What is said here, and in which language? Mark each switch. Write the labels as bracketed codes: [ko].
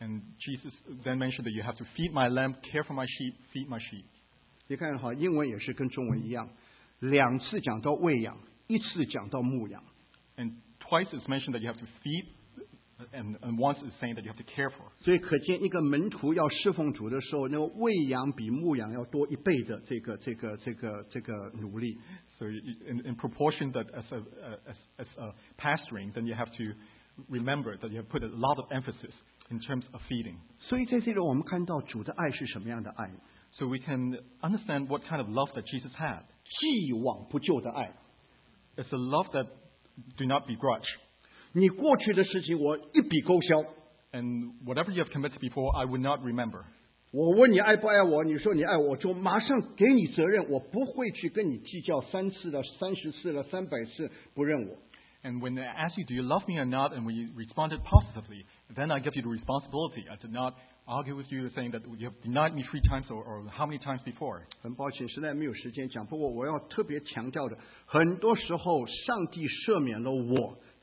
[en] And Jesus then mentioned that you have to feed my lamb, care for my sheep, feed my sheep. [zh] 你看哈，英文也是跟中文一样，两次讲到喂养，一次讲到牧养。 [en] And twice it's mentioned that you have to feed. And once is saying that you have to care for. [zh] 所以可见，一个门徒要侍奉主的时候，那个喂养比牧养要多一倍的这个努力。 [en] So in proportion that as a pastoring, then you have to remember that you have put a lot of emphasis in terms of feeding. [zh] 所以在这里我们看到主的爱是什么样的爱。 [en] So we can understand what kind of love that Jesus had. [zh] 既往不咎的爱。 [en] It's a love that do not begrudge. [zh] 你过去的事情我一笔勾销。And [en] whatever you have committed before, I would not remember. [zh] 我问你爱不爱我，你说你爱我，就马上给你责任，我不会去跟你计较3次了、30次了、300次不认我。 [en] And when they ask you, do you love me or not? And we responded positively, then I give you the responsibility. I did not argue with you saying that you have denied me three times or how many times before. [zh] 很抱歉,实在没有时间讲,不过我要特别强调的,很多时候上帝赦免了我,